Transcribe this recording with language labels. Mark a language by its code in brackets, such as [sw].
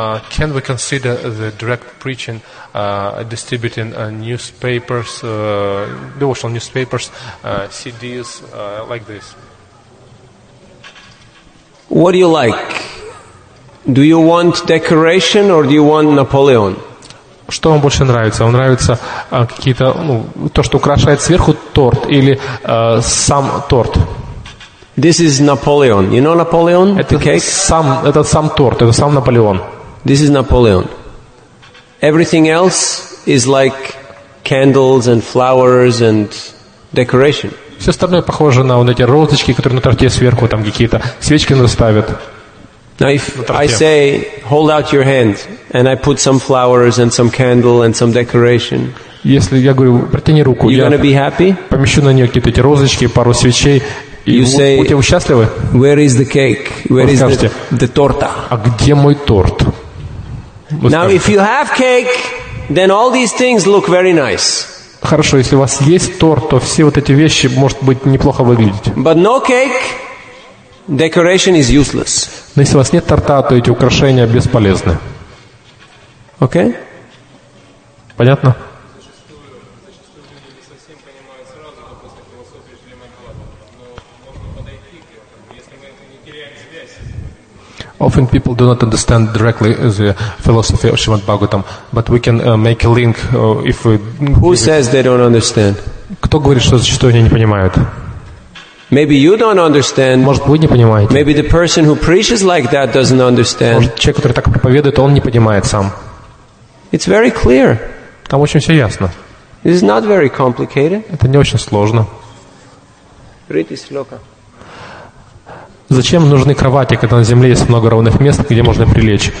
[en] Can we consider the direct preaching, distributing newspapers, devotional newspapers, CDs, like this? What do you like? Do you want decoration or do you want Napoleon? [ru] Что вам больше нравится? Вам нравится какие-то, ну, то, что украшает сверху торт или сам торт? [en] This is Napoleon. You know Napoleon? [ru] Это [en] the cake? [ru] Сам торт, это сам Наполеон. [en] This is Napoleon. Everything else is like candles and flowers and decoration. [ru] Все остальное похоже на вот эти розочки, которые на торте сверху, там какие-то свечки наставят. [en] Now if I say, hold out your hand, and I put some flowers and some candle and some decoration, [ru] если я говорю, протяни руку, я помещу на нее какие-то эти розочки, пару свечей, и будьте вы счастливы. [en] Where is the cake? Where is the torta? [ru] А где мой торт? [en] Now if you have cake, then all these things look very nice. [ru] Хорошо, если у вас есть торт, то все вот эти вещи, может быть, неплохо выглядеть. [en] But no cake, decoration is useless. [ru] Но если у вас нет торта, то эти украшения бесполезны. [en] Okay? [ru] Понятно? [en] Often people do not understand directly the philosophy of Srimad Bhagavatam, but we can make a link if we... Who says they don't understand? [ru] Кто говорит, что зачастую они не понимают? [en] Maybe you don't understand. [ru] Может, вы не понимаете. [en] Maybe the person who preaches like that doesn't understand. [ru] Может, человек, который так проповедует, он не понимает сам. [en] It's very clear. [ru] Там очень все ясно. [en] It is not very complicated. [ru] Это не очень сложно. Прити слока. Зачем нужны кровати, когда на земле есть много ровных мест, где можно прилечь?